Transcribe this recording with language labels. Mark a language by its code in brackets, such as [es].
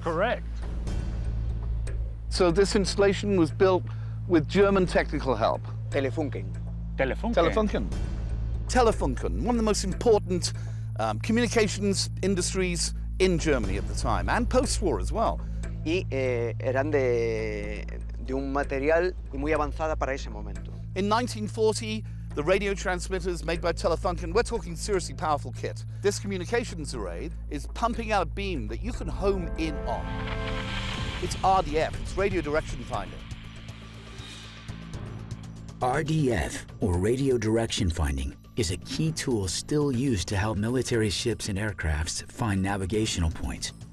[en] Correct. So this installation was built with German technical help? Telefunken. Telefunken? Telefunken. Telefunken, one of the most important communications industries in Germany at the time, and post-war as well. [es] Y eran de un material muy avanzada para ese momento. [en] In 1940, the radio transmitters made by Telefunken, we're talking seriously powerful kit. This communications array is pumping out a beam that you can home in on. It's RDF, it's radio direction finding. RDF, or radio direction finding, is a key tool still used to help military ships and aircrafts find navigational points.